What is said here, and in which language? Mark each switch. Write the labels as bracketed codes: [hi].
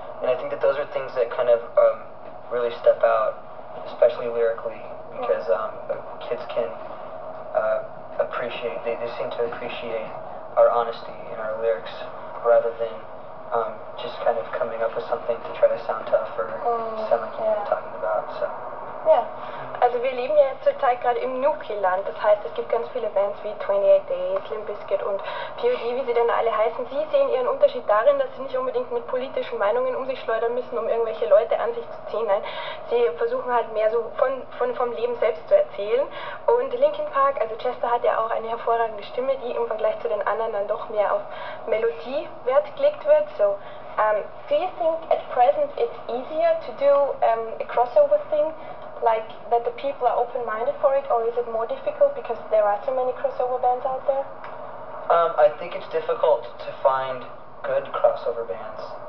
[en] And I think that those are things that kind of really step out, especially lyrically, because kids can appreciate, they seem to appreciate our honesty in our lyrics rather than just kind of coming up with something to try to sound tough or sound like you're talking about. So. Yeah. [de] Also wir leben ja zurzeit gerade im Nuki-Land, das heißt, es gibt ganz viele Bands wie 28 Days, Limp Bizkit und POD, wie sie denn alle heißen. Sie sehen ihren Unterschied darin, dass sie nicht unbedingt mit politischen Meinungen um sich schleudern müssen, um irgendwelche Leute an sich zu ziehen. Nein, sie versuchen halt mehr so vom Leben selbst zu erzählen. Und Linkin Park, also Chester hat ja auch eine hervorragende Stimme, die im Vergleich zu den anderen dann doch mehr auf Melodie Wert gelegt wird. [en] So, do you think at present it's easier to do a crossover thing? Like, that the people are open-minded for it, or is it more difficult because there are so many crossover bands out there? I think it's difficult to find good crossover bands.